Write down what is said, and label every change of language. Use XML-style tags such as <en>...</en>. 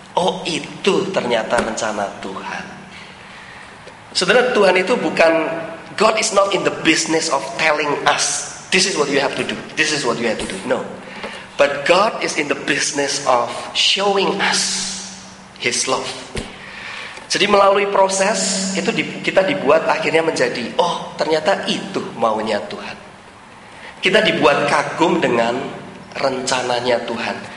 <id>Oh itu ternyata rencana Tuhan. Saudara, Tuhan itu bukan,</id> <en>God is not in the business of telling us, this is what you have to do, this is what you have to do. No. But God is in the business of showing us His love.</en> <id>Jadi melalui proses itu kita dibuat akhirnya menjadi, oh ternyata itu maunya Tuhan. Kita dibuat kagum dengan rencananya Tuhan.</id>